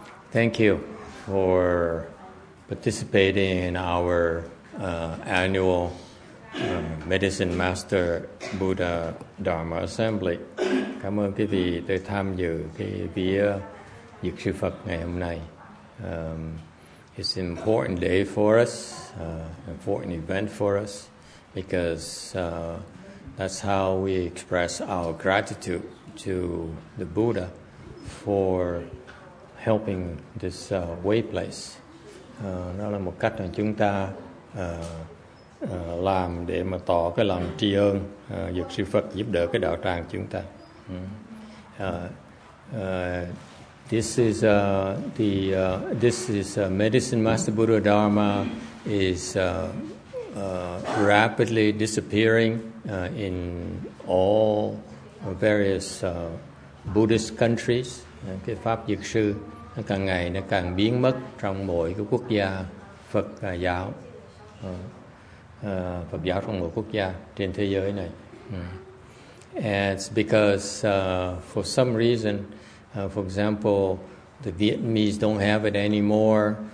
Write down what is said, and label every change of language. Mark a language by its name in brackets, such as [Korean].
[English] Thank you for participating in our annual Medicine Master Buddha Dharma Assembly. [Vietnamese] Cảm ơn quý vị đã tham dự cái Dược sư Phật ngày hôm nay. [English] It's an important day for us, important event for us, because that's how we express our gratitude to the Buddha for helping this way place. [Vietnamese] Nó là một cách mà chúng ta làm để mà tỏ cái lòng tri ân Dược sư Phật giúp đỡ cái đạo tràng chúng ta. [English] This is Medicine Master Buddha Dharma is rapidly disappearing in all various Buddhist countries. [Vietnamese] Cái pháp dược sư nó càng ngày nó càng biến mất trong mỗi cái quốc gia Phật giáo, Phật giáo trong mỗi quốc gia trên thế giới này. [English] And it's because for some reason, for example, the Vietnamese don't have it anymore.